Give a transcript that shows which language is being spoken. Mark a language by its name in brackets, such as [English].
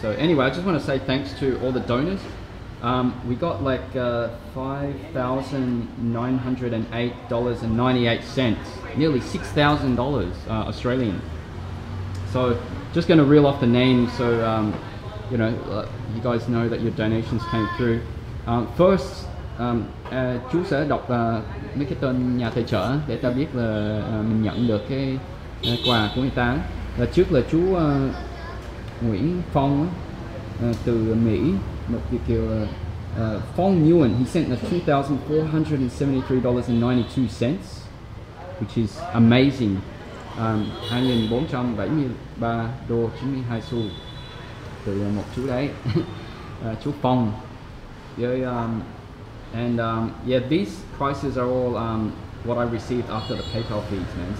[English] So anyway, I just want to say thanks to all the donors. We got like $5,908.98, nearly $6,000 Australian. So just going to reel off the names so you know, you guys know that your donations came through. [Vietnamese] First, chú sẽ đọc mấy cái tên nhà tài trợ để ta biết là mình nhận được cái quà của người ta. Là trước là chú Nguyễn Phong từ Mỹ, một Việt kiều. [English] Phong Nguyen, he sent us $2,473.92, which is amazing. [Vietnamese] $2,473.92 từ một chú đấy, chú Phong. [English] Yeah, and yeah, these prices are all what I received after the PayPal fees, man.